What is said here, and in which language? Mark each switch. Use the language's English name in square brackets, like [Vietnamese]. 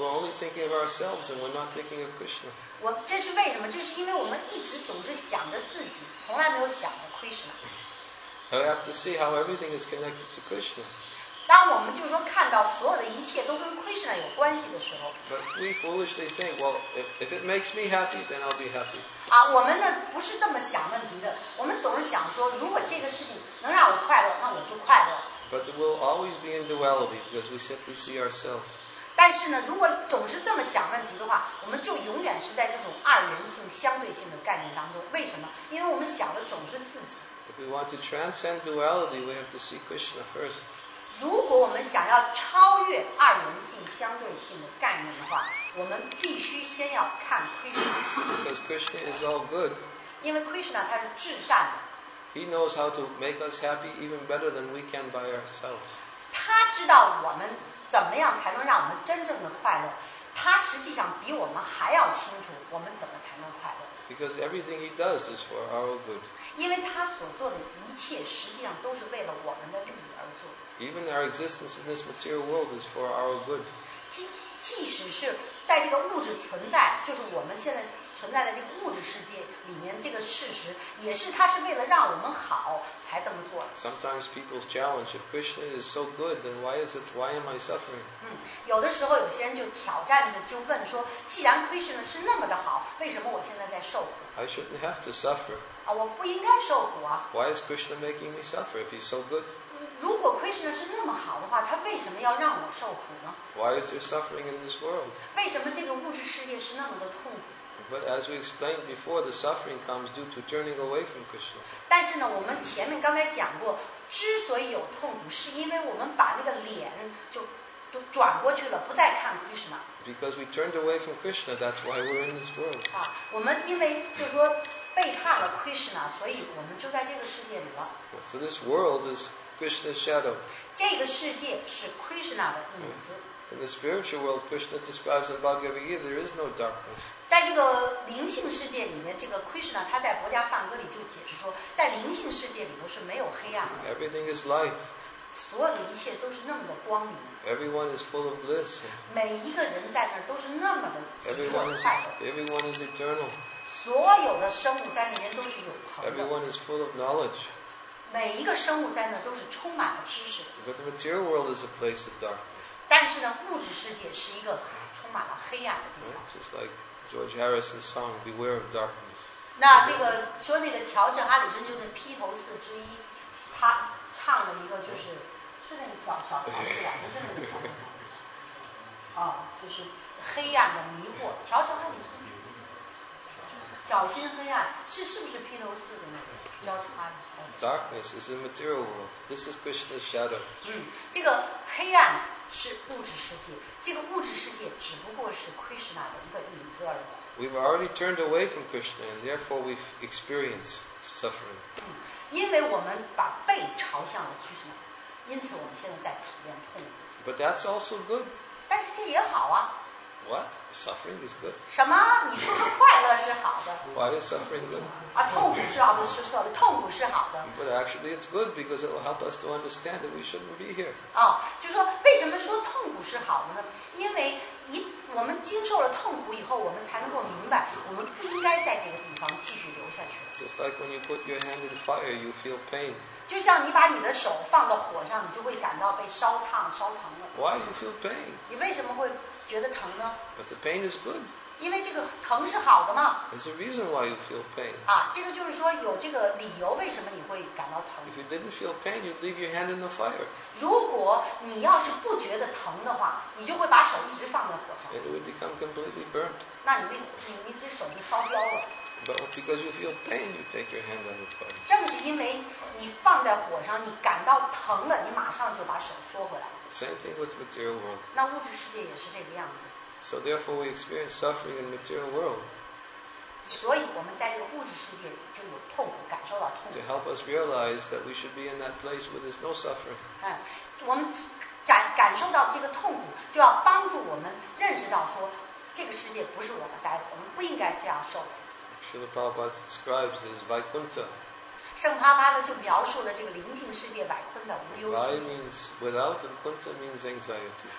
[English] We're only thinking of ourselves and we're not thinking of Krishna. [Chinese] 我这是为什么？这是因为我们一直总是想着自己，从来没有想着 Krishna. [English] I have to see how everything is connected to Krishna. [Chinese] 当我们就是说看到所有的一切都跟 Krishna 有关系的时候 [English] ，But we foolishly think, well, if it makes me happy, then I'll be happy. [Chinese] 啊，我们呢不是这么想问题的，我们总是想说，如果这个事情能让我快乐，那我就快乐。 [English] But we'll always be in duality because we simply see ourselves. [Chinese] 但是呢，如果总是这么想问题的话，我们就永远是在这种二元性、相对性的概念当中。为什么？因为我们想的总是自己。 [English] If we want to transcend duality, we have to see Krishna first. [Chinese] 如果我们想要超越二元性、相对性的概念的话，我们必须先要看 Krishna。 [English] Because Krishna is all good. [Chinese] 因为 Krishna 他是至善的。 [English] He knows how to make us happy even better than we can by ourselves. [Chinese] 他知道我们怎么样才能让我们真正的快乐。他实际上比我们还要清楚我们怎么才能快乐。 [English] Because everything he does is for our good. [Chinese] 因为他所做的一切实际上都是为了我们的利益。 [English] Even our existence in this material world is for our good. [Chinese] 即使是在这个物质存在，就是我们现在存在的这个物质世界里面这个事实，也是它是为了让我们好才这么做的。 [English] Sometimes people's challenge, if Krishna is so good, then why am I suffering? [Chinese] 有的时候有些人就挑战的就问说，既然 Krishna 是那么的好，为什么我现在在受苦？ [English] I shouldn't have to suffer. [Chinese] 啊，我不应该受苦啊。 [English] Why is Krishna making me suffer if he's so good? [Chinese] 如果 Krishna 是那么好的话，他为什么要让我受苦呢？ [English] Why is there suffering in this world? [Chinese] 为什么这个物质世界是那么的痛苦？ [English] But as we explained before, the suffering comes due to turning away from Krishna. [Chinese] 但是呢，我们前面刚才讲过，之所以有痛苦，是因为我们把那个脸就转过去了，不再看 Krishna. [English] Because we turned away from Krishna, that's why we're in this world. [Chinese] 啊，我们因为就是说背叛了 Krishna, 所以我们就在这个世界里了。 [English] So this world is. Krishna's shadow. [Chinese] 这个世界是 Krishna 的影子。 [English] In the spiritual world, Krishna describes in Bhagavad Gita, there is no darkness. [Chinese] 在这个灵性世界里面，这个 Krishna 他在《博迦梵歌》里就解释说，在灵性世界里头是没有黑暗的。 [English] Everything is light. [Chinese] 所有的一切都是那么的光明。 [English] Everyone is full of bliss. [Chinese] 每一个人在那儿都是那么的 [English] Everyone is eternal. [Chinese] 所有的生物在里面都是永恒的。 [English] Everyone is full of knowledge. [Chinese] 每一个生物在那都是充满了知识。 [English] But the material world is a place of darkness. [Chinese] 但是呢，物质世界是一个充满了黑暗的地方。 [English] Right, just like George Harrison's song, "Beware of Darkness." [Chinese] 那这个说那个乔治哈里森就是披头士之一，他唱了一个就是是那个小草是吧？就是那个小草。哦，就是黑暗的迷惑，小草还有什么？就是脚心黑暗，是不是披头四的那个？ [English] Darkness is the material world. This is Krishna's shadow. [Chinese] 这个黑暗是物质世界，这个物质世界只不过是 Krishna 的一个影子而已。 [English] We've already turned away from Krishna, and therefore we've experienced suffering. [Chinese] 因为我们把背朝向了 Krishna, 因此我们现在在体验痛苦。 [English] But that's also good. [Chinese] 但是这也好啊。 [English] What? Suffering is good. [Chinese] 什么？你说的快乐是好的。 [English] Why is suffering good? [Chinese] 啊，痛苦是好的，是错的。痛苦是好的。 [English] But actually, it's good because it will help us to understand that we shouldn't be here. [Chinese] 哦，就说为什么说痛苦是好的呢？因为我们经受了痛苦以后，我们才能够明白，我们不应该在这个地方继续留下去。 [English] Just like when you put your hand in the fire, you feel pain. [Chinese] 就像你把你的手放到火上，你就会感到被烧烫、烧疼了。 [English] Why do you feel pain? [Chinese] 你为什么会？觉得疼呢 [English] ？But the pain is good. [Chinese] 因为这个疼是好的嘛。 [English] There's a reason why you feel pain. [Chinese] 啊，这个就是说有这个理由，为什么你会感到疼 [English] ？If you didn't feel pain, you'd leave your hand in the fire. [Chinese] 如果你要是不觉得疼的话，你就会把手一直放在火上。 [English] And it would become completely burnt. [Chinese] 那你这手就烧焦了。 [English] But because you feel pain, you take your hand out of the fire. [Chinese] 正是因为你放在火上，你感到疼了，你马上就把手缩回来。 [English] Same thing with material world. [Chinese] 那物质世界也是这个样子。 [English] So therefore, we experience suffering in material world. [Chinese] 所以我们在这个物质世界就有痛苦，感受到痛苦。 [English] To help us realize that we should be in that place where there's no suffering. [Chinese] 我们感受到这个痛苦，就要帮助我们认识到说，这个世界不是我们待的，我们不应该这样受。 [English] Srila Prabhupada describes as Vaikuntha. [Chinese] 圣帕巴的就描述了这个灵性世界百坤的无忧。 [English] Why means without and kunta means anxiety.